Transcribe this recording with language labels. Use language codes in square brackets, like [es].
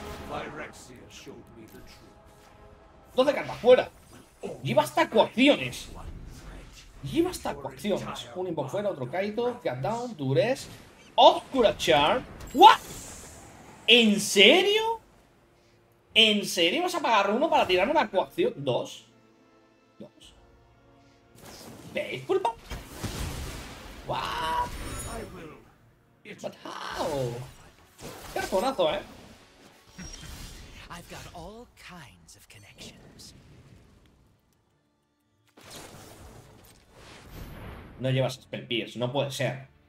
[en] Phyrexia showed me the truth. [es] 12 cartas fuera. Lleva hasta coacciones. Lleva hasta coacciones. Un invoke fuera, otro Kaito. Cut down, Dures. Oscura Charm. [en] ¿What? [es] ¿En serio? ¿En serio vas a pagar uno para tirar una coacción? ¿Dos? ¿Dos? ¿Veis, culpa? [en] ¿What? ¿But how? [es] ¡Qué arponazo, eh! [en] I've got all kinds of connections. [es] No llevas Spell Pierce, no puede ser.